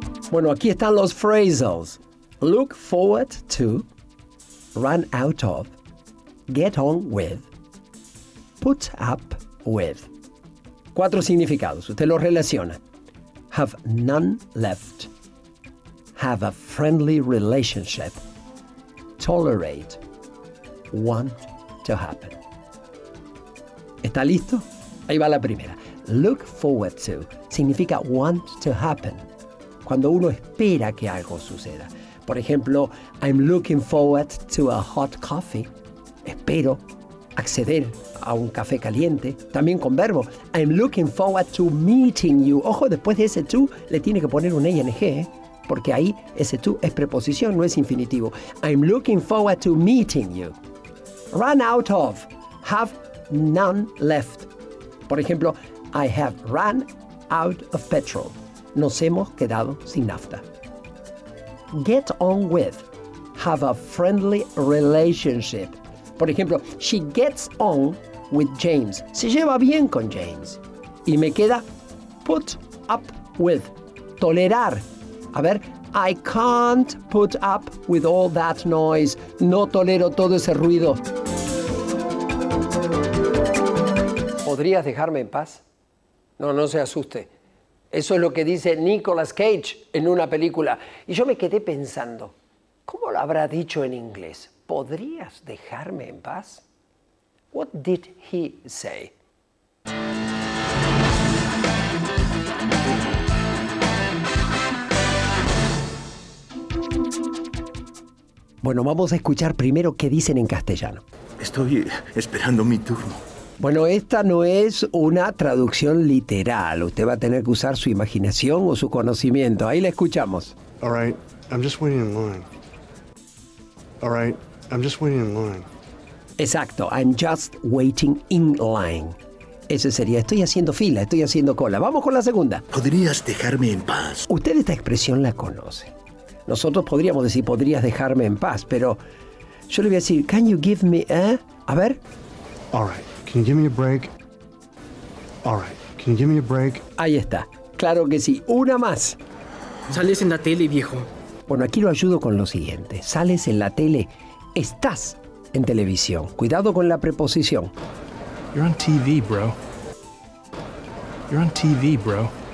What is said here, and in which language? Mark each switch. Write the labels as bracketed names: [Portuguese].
[Spanish] Bueno, aquí están los phrasals. [English] Look forward to, run out of, get on with, put up with. [Spanish] Cuatro significados. Usted los relaciona. [English] Have none left. Have a friendly relationship. Tolerate. Want to happen. [Spanish] ¿Está listo? Ahí va la primera. [English] Look forward to significa want to happen. [Spanish] Cuando uno espera que algo suceda. Por ejemplo, [English] I'm looking forward to a hot coffee. [Spanish] Espero acceder a un café caliente. También con verbo. [English] I'm looking forward to meeting you. [Spanish] Ojo, después de ese to, le tiene que poner un ing, ¿eh? Porque ahí ese to es preposición, no es infinitivo. [English] I'm looking forward to meeting you. Run out of. Have none left. [Spanish] Por ejemplo, [English] I have run out of petrol. [Spanish] Nos hemos quedado sin nafta. [English] Get on with. Have a friendly relationship. [Spanish] Por ejemplo, [English] she gets on with James. [Spanish] Se lleva bien con James. Y me queda [English] put up with. [Spanish] Tolerar. A ver, [English] I can't put up with all that noise. [Spanish] No tolero todo ese ruido. ¿Podrías dejarme en paz? No, no se asuste. Eso es lo que dice Nicolas Cage en una película. Y yo me quedé pensando, ¿cómo lo habrá dicho en inglés? ¿Podrías dejarme en paz? [English] What did he say? [Spanish] Bueno, vamos a escuchar primero qué dicen en castellano. Estoy esperando mi turno. Bueno, esta no es una traducción literal. Usted va a tener que usar su imaginación o su conocimiento. Ahí la escuchamos. [English] All right, I'm just waiting in line. All right, I'm just waiting in line. Exacto, I'm just waiting in line. [Spanish] Ese sería, estoy haciendo fila, estoy haciendo cola. Vamos con la segunda. ¿Podrías dejarme en paz? Usted esta expresión la conoce. Nosotros podríamos decir, podrías dejarme en paz, pero yo le voy a decir, [English] can you give me a... [Spanish] A ver. [English] All right, can you give me a break? All right, can you give me a break? [Spanish] Ahí está, claro que sí, una más. Sales en la tele, viejo. Bueno, aquí lo ayudo con lo siguiente. Sales en la tele, estás en televisión. Cuidado con la preposición. [English] You're on TV, bro. You're on TV, bro.